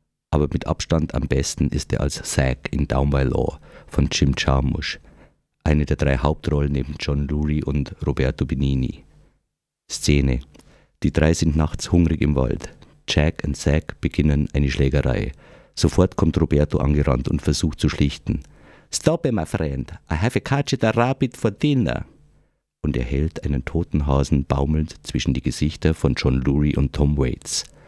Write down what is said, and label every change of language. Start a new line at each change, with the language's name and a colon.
German: Aber mit Abstand am besten ist er als Zack in Down by Law von Jim Jarmusch. Eine der drei Hauptrollen neben John Lurie und Roberto Benigni. Szene. Die drei sind nachts hungrig im Wald. Jack und Zack beginnen eine Schlägerei. Sofort kommt Roberto angerannt und versucht zu schlichten.
English: Stop it, my friend. I have catched a rabbit for dinner.
German: Und er hält einen toten Hasen baumelnd zwischen die Gesichter von John Lurie und Tom Waits.